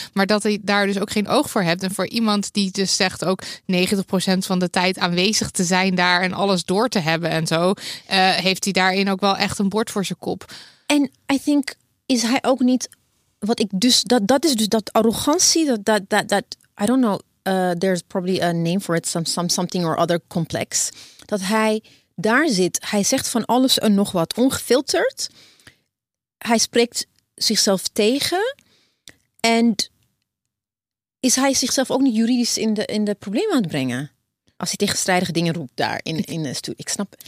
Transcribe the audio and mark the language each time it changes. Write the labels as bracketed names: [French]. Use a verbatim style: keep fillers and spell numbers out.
[Dutch] Maar dat hij daar dus ook geen oog voor hebt. En voor iemand die dus zegt ook negentig procent van de tijd aanwezig te zijn daar. En alles door te hebben en zo. Uh, heeft hij daarin ook wel echt een bord voor zijn kop. En [English] I think [Dutch] is hij ook niet... Wat ik dus... Dat, dat is dus dat arrogantie. Dat, dat, dat, dat [English] I don't know... Uh, there's probably a name for it, some, some, something or other complex. [Dutch] Dat hij daar zit. Hij zegt van alles en nog wat ongefilterd. Hij spreekt zichzelf tegen. En is hij zichzelf ook niet juridisch in de, in de problemen aan het brengen? Als hij tegenstrijdige dingen roept daar in, in de studio. Ik snap